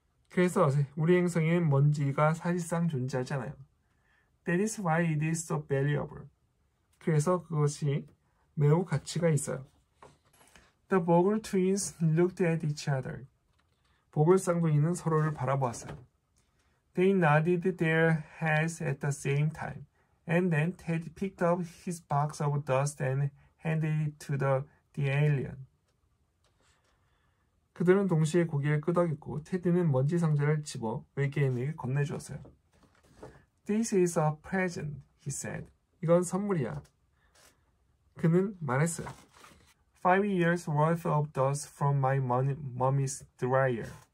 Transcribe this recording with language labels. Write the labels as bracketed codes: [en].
[ko] 그래서 우리 행성에 먼지가 사실상 존재하지 않아요. [en] That is why it is so valuable. [ko] 그래서 그것이 매우 가치가 있어요. [en] The Bogle twins looked at each other. [ko] 보글 쌍둥이는 서로를 바라보았어요. [en] They nodded their heads at the same time. And then Ted picked up his box of dust and handed it to the alien. [ko] 그들은 동시에 고개를 끄덕이고 테디는 먼지 상자를 집어 외계인에게 건네주었어요. [en] This is a present, he said. [ko] 이건 선물이야. 그는 말했어요. [en] Five years worth of dust from my mommy's dryer.